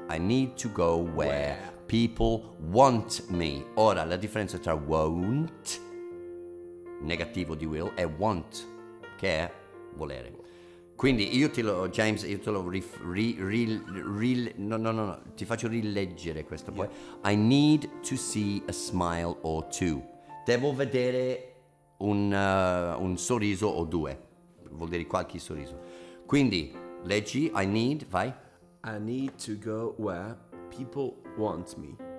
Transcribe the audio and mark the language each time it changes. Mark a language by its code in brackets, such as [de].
[en] I need to go where people want me. [it] Ora, la differenza tra won't, negativo di will, e want, che è volere. Quindi io te lo, James, io te lo ti faccio rileggere questo poi. [en] I need to see a smile or two. [it] Devo vedere un sorriso o due, vuol dire qualche sorriso. Quindi leggi, [en] I need, [it] vai. [en] I need to go where people want me.